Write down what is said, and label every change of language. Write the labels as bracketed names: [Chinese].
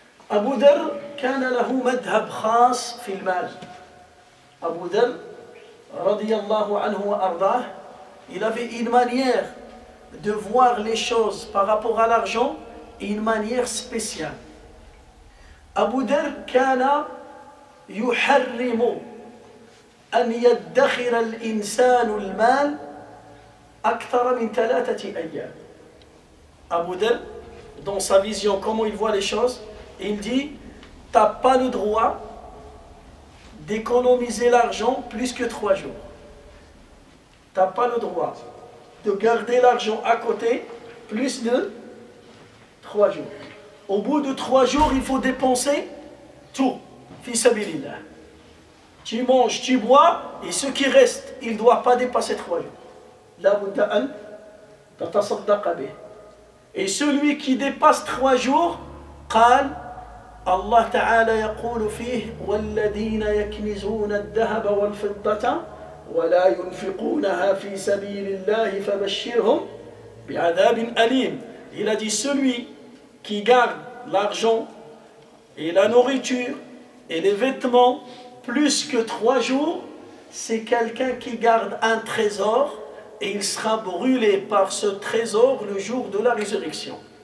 [Arabic] Abu Dhar kana lahu madhhab khas fi al-mal. [French] Abu Dhar [Arabic] radiyallahu anhu wa ardah, [French] il avait une manière de voir les choses par rapport à l'argent, une manière spéciale. [Arabic] أبو ذر كان يحرم أن يدخر الإنسان المال أكثر من ثلاثة أيام. [French] أبو ذر dans sa vision, comment il voit les choses, il dit: t'as pas le droit d'économiser l'argent plus que trois jours. T'as pas le droit de garder l'argent à côté plus de trois jours. Au bout de trois jours, il faut dépenser tout. Fisabilillah. Tu manges, tu bois, et ce qui reste, il ne doit pas dépasser trois jours. [Arabic] La budda an tatasaddaqa bih. [French] Et celui qui dépasse trois jours, [Arabic] قال Allah Ta'ala يقول فيه والذين يكنزون الذهب والفضة ولا ينفقونها في سبيل الله فبشرهم بعذاب أليم. [French] Il a dit: celui qui garde l'argent et la nourriture et les vêtements plus que trois jours, c'est quelqu'un qui garde un trésor et il sera brûlé par ce trésor le jour de la résurrection.